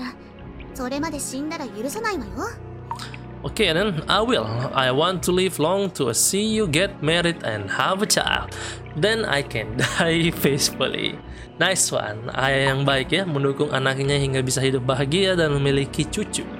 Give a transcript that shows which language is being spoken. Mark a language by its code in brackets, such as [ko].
[ja] 必ず助けに来るから、それまで死んだら許さないわよ。 [en] Okay, then I will. I want to live long to see you get married and have a child. Then I can die peacefully. Nice one. [id] Ayah yang baik ya, mendukung anaknya hingga bisa hidup bahagia dan memiliki cucu.